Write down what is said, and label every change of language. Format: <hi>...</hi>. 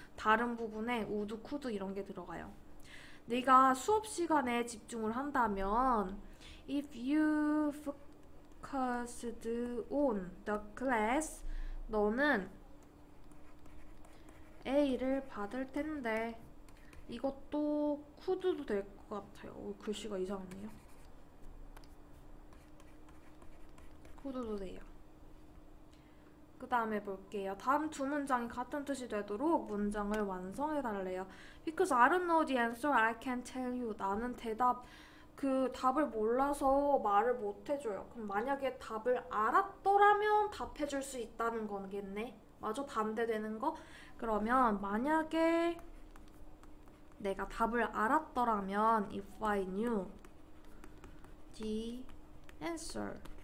<ko>다른 부분에 would, could 이런 게 들어가요. 네가 수업 시간에 집중을 한다면</ko> <en>if you focused on the class</en> <ko>너는 A를 받을 텐데 이것도 could도 될 것 같아요. 오, 글씨가 이상하네요. 후드도 돼요. 그 다음에 볼게요. 다음 두 문장이 같은 뜻이 되도록 문장을 완성해 달래요.</ko> <en>Because I don't know the answer, I can't tell you.</en> <ko>나는 대답, 그 답을 몰라서 말을 못 해줘요. 그럼 만약에 답을 알았더라면 답해줄 수 있다는 거겠네. 맞아, 반대되는 거? 그러면 만약에 내가 답을 알았더라면</ko> <en>if I knew the answer.</en>